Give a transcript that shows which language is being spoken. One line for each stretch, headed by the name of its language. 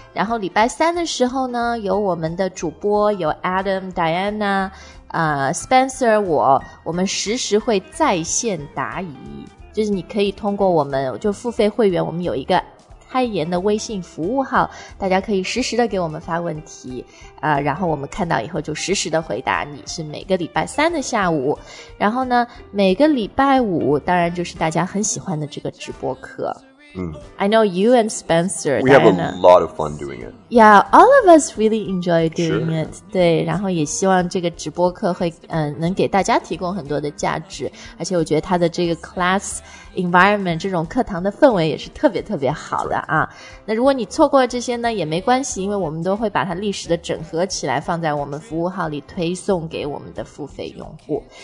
Chinese: 然后礼拜三的时候呢，有我们的主播，有 Adam、Diana、Spencer 我们实时会在线答疑，就是你可以通过我们就付费会员，我们有一个开言的微信服务号，大家可以实时的给我们发问题，然后我们看到以后就实时的回答你，是每个礼拜三的下午。然后呢每个礼拜五当然就是大家很喜欢的这个直播课。
English: I know you and Spencer, we have a lot of fun doing it. Yeah, all of us really enjoy doing it.
Chinese: 对，然后也希望这个直播课会能给大家提供很多的价值，而且我觉得他的这个 class environment 这种课堂的氛围也是特别特别好的啊。那如果你错过这些呢也没关系，因为我们都会把它历史的整合起来放在我们服务号里推送给我们的付费用户。